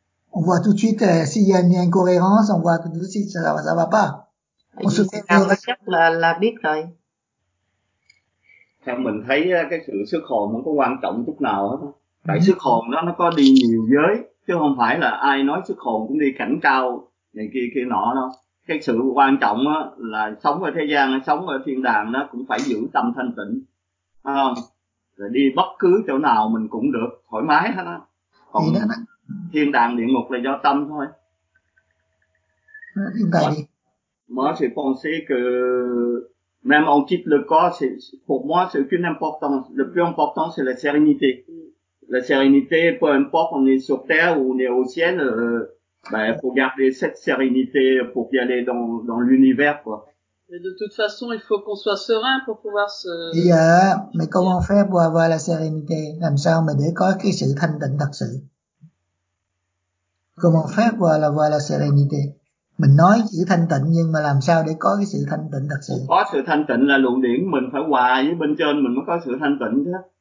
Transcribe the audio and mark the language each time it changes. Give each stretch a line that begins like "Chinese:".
French: On voit tout de suite, s'il y a une incohérence, on voit tout de suite, ça va pas. On se fait la recherche, la
Vietnamese: biết rồi. Theo mình thấy, cái sự sức hồn không có quan trọng chút nào hết. Tại sức hồn đó, nó có đi nhiều giới, chứ không phải là ai nói sức hồn cũng đi cảnh cao, này kia nọ đâu. Cái sự quan trọng á là sống ở thế gian, sống ở thiên đàng nó cũng phải giữ tâm thanh tịnh, phải không? Rồi đi bất cứ chỗ nào mình cũng được thoải mái hết á. Còn thiên đàng địa ngục là do tâm thôi.
French: Moi j'ai pensé que même en quitte le corps, pour moi c'est aucune importance. Le plus important c'est la sérénité. La sérénité, peu importe on est sur terre ou on est au ciel. Ben, faut garder cette sérénité pour y aller dans l'univers, quoi. C'est Mais de toute façon, il faut qu'on soit serein pour pouvoir se... Mais comment faire pour avoir la sérénité?
Vietnamese: Làm sao mà để có cái sự thanh tịnh thật sự?
French: Comment faire pour avoir la sérénité?
Vietnamese: Mình nói chữ thanh tịnh nhưng mà làm sao để có cái sự thanh tịnh thật sự? Có sự thanh tịnh là luận điểm, mình phải hòa với bên trên mình mới có sự thanh tịnh chứ.